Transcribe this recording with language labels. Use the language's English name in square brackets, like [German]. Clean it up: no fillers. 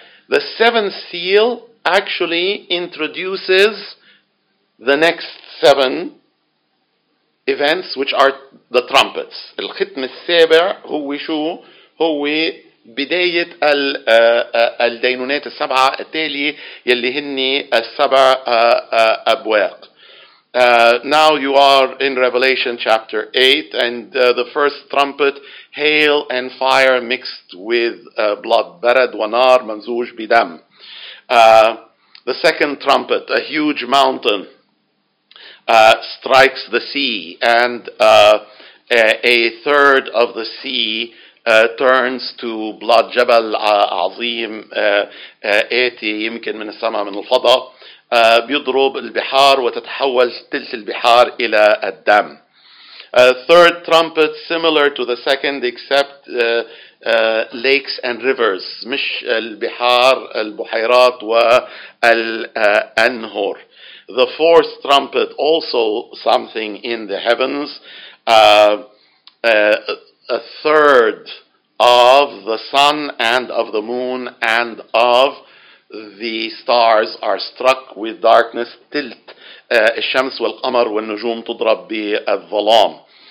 [English] The seventh seal actually introduces the next seven events, which are the trumpets. [Arabic] الختم السابع هو شو؟ هو بداية الدينونات السبعة التالية يلي هني السبع أبواق. [English] Now you are in Revelation chapter 8, and the first trumpet, hail and fire mixed with blood, [Arabic] برد ونار ممزوج بدم. [English] The second trumpet, a huge mountain strikes the sea, and a third of the sea turns to blood. [Arabic] جبل عظيم آتي يمكن من السماء من الفضاء بيضرب البحار وتتحول ثلث البحار إلى الدم. [English] Third trumpet similar to the second except lakes and rivers, [Arabic] مش البحار البحيرات والأنهر. [English] The fourth trumpet also something in the heavens, a third of the sun and of the moon and of the stars are struck with darkness. [Arabic] تلت الشمس والقمر والنجوم تضرب بالظلام.